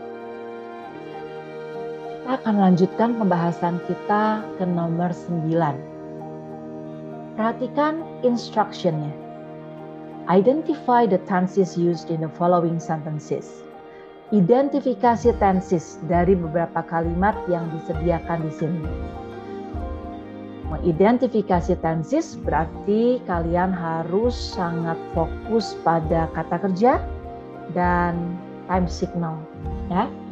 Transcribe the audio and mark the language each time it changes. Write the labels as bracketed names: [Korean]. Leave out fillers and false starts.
[Indonesian] Kita akan lanjutkan pembahasan kita ke nomor 9. Perhatikan instruction-nya. [English] Identify the tenses used in the following sentences. [Indonesian] Identifikasi tenses dari beberapa kalimat yang disediakan di sini. Mengidentifikasi tenses berarti kalian harus sangat fokus pada kata kerja dan time signal, ya.